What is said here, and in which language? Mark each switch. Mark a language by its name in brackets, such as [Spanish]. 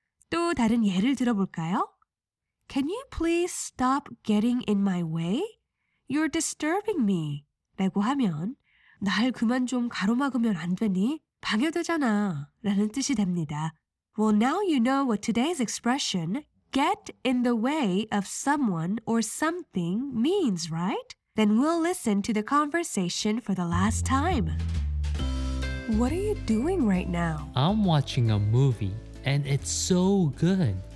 [Korean] 또 다른 예를 들어볼까요? [English] Can you please stop getting in my way? You're disturbing me [Korean] 라고 하면 날 그만 좀 가로막으면 안 되니? 방해되잖아 라는 뜻이 됩니다. [English] Well, now you know what today's expression get in the way of someone or something means, right? Then we'll listen to the conversation for the last time. What are you doing right now? I'm watching a movie, and it's so good.